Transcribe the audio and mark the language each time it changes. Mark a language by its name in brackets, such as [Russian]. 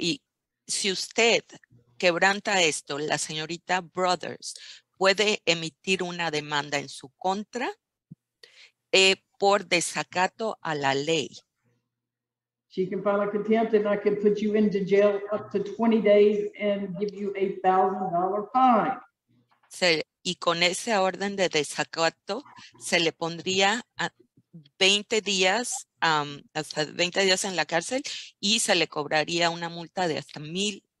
[Spanish] Y si usted quebranta esto, la señorita Brothers puede emitir una demanda en su contra por desacato a la ley. [English] She can file a contempt and I can put you into jail up to 20 days and give you a $1,000 fine. [Spanish] Y con esa orden de desacato se le pondría a 20 días, hasta 20 días en la cárcel y se le cobraría una multa de hasta $1,000.